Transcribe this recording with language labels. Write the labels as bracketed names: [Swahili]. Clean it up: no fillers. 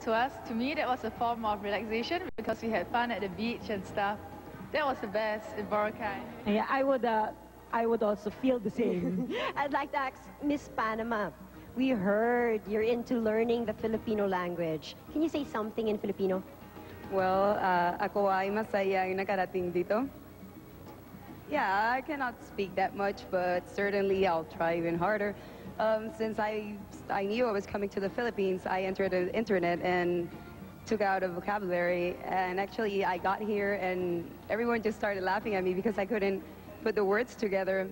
[English] To me, that was a form of relaxation because we had fun at the beach and stuff. That was the best in Boracay. Yeah, I would also feel the same. I'd like to ask Miss Panama. We heard you're into learning the Filipino language. Can you say something in Filipino? [Filipino] Well, ako ay masayang nakarating dito. [English] Yeah, I cannot speak that much, but certainly I'll try even harder. Since I knew I was coming to the Philippines, I entered the internet and took out a vocabulary. And actually, I got here and everyone just started laughing at me because I couldn't put the words together.